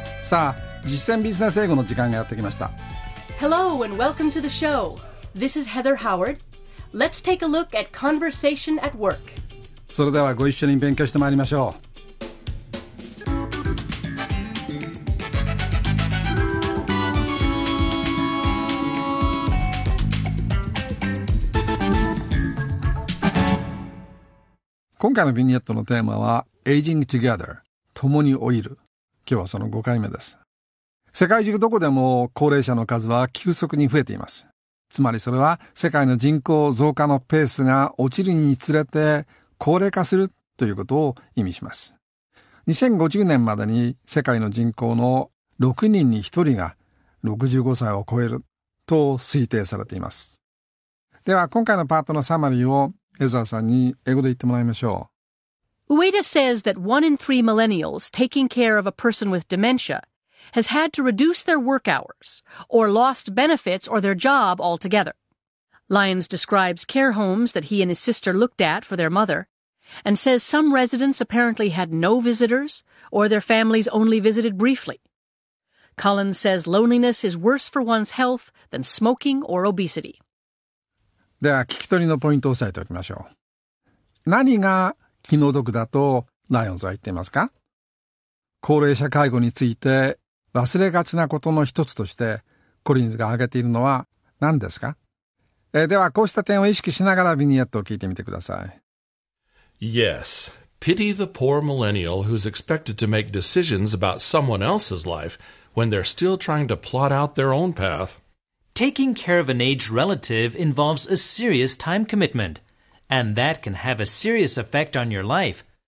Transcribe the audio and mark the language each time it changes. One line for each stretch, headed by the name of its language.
Japanese: さあ、実践ビジネス英語の時間がやってきました。
English: Hello and welcome to the show. This is Heather Howard. Let's take a look at conversation at work.
Japanese: それではご一緒に勉強してまいりましょう。今回のビニエットのテーマは
English: Aging Together、
Japanese: 共に老いる。今日はその5回目です。世界中どこでも高齢者の数は急速に増えています。つまりそれは世界の人口増加のペースが落ちるにつれて高齢化するということを意味します。 2050年までに世界の人口の6人に1人が65歳を超えると推定されています。では今回のパートのサマリーをヘザーさんに英語で言ってもらいましょう。
English: Ueda says that 1 in 3 millennials taking care of a person with dementia has had to reduce their work hours or lost benefits or their job altogether. Lyons describes care homes that he and his sister looked at for their mother and says some residents apparently had no visitors or their families only visited briefly. Collins says loneliness is worse for one's health than smoking or obesity.
Japanese: では聞き取りのポイントを押さえておきましょう。何が気の毒だとライオンズは言っていますか？高齢者介護について忘れがちなことの一つとしてコリンズが挙げているのは何ですか？ではこうした点を意識しながらビニエットを聞いてみてください。
English: Yes, pity the poor millennial who's expected to make decisions about someone else's life when they're still trying to plot out their own path. Taking care of an aged relative involves a serious time commitment, and that can have a serious effect on your life.